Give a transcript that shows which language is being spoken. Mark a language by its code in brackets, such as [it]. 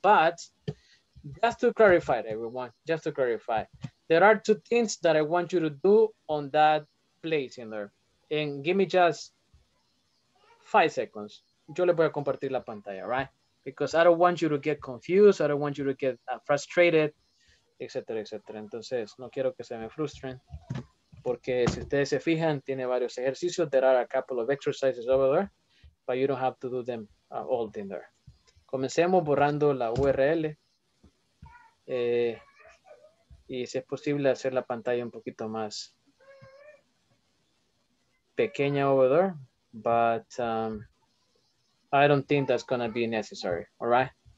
[en] But just to clarify, everyone, just to clarify, there are two things that I want you to do on that place in there. And give me just 5 seconds. [es] Yo le voy a compartir la pantalla, right? [en] Because I don't want you to get confused. I don't want you to get frustrated, etc., etc. [es] Entonces, no quiero que se me frustren. Porque si ustedes se fijan, tiene varios ejercicios. [en] There are a couple of exercises over there, but you don't have to do them all in there. [es] Comencemos borrando la URL. Y si es posible hacer la pantalla un poquito más pequeña [en] over there, but I don't think that's going to be necessary, all right?